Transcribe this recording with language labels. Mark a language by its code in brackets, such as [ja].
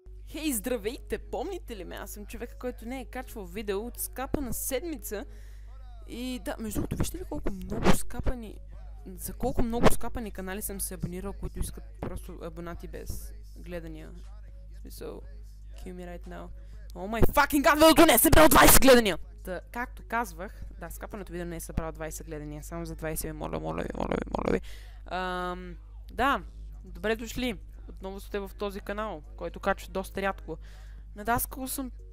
[bg] Хей, hey, здравейте! Помните ли ме? Аз съм човека, който не е качвал видео от скапа на седмица. И да, между другото, вижте ли колко много скапани... За колко много скапани канали съм се абонирал, които искат просто абонати без гледания. В смисъл, [en] kill me right now. Oh my fucking god, [bg] видеото не е събрал 20 гледания! Та, както казвах, да, скапаното видео не е събрал 20 гледания. Само за 20 ми, моля ви. Да, добре дошли! Отново сте в този канал, който качва доста рядко. На даскало съм...